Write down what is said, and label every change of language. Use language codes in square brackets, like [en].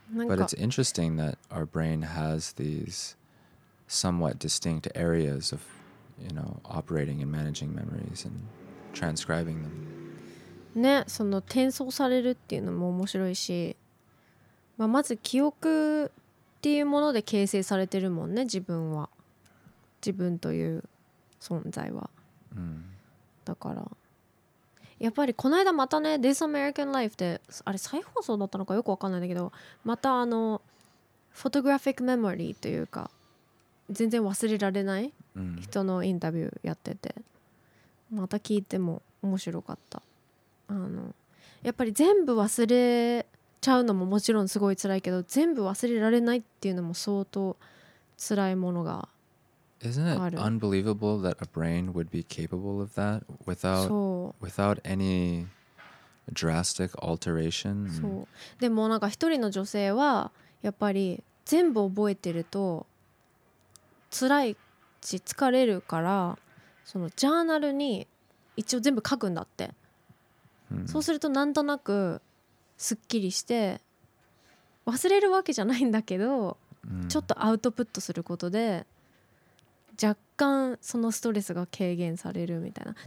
[en] But it's interesting that our brain has these somewhat distinct areas of, you know, operating and managing memories and transcribing them. [ja] ね、その転送されるっていうのも面白いし、まあ、まず記憶っていうもので形成されてるもんね、自分は。自分という存在は。うん、だから。やっぱりこの間またね、This American Life で、あれ再放送だったのかよくわかんないんだけど、またあの、Photographic Memory というか、全然忘れられない人のインタビューやってて、また聞いても面白かった。あのやっぱり全部忘れちゃうのももちろんすごい辛いけど、全部忘れられないっていうのも相当辛いものがある。 [en] Isn't it unbelievable that a brain would be capable of that without any drastic alteration? [ja] そう。でもなんか一人の女性はやっぱり全部覚えてると辛いし疲れるから、そのジャーナルに一応全部書くんだって。そうするとなんとなくすっきりして、忘れるわけじゃないんだけど、ちょっとアウトプットすることで若干そのストレスが軽減されるみたいな。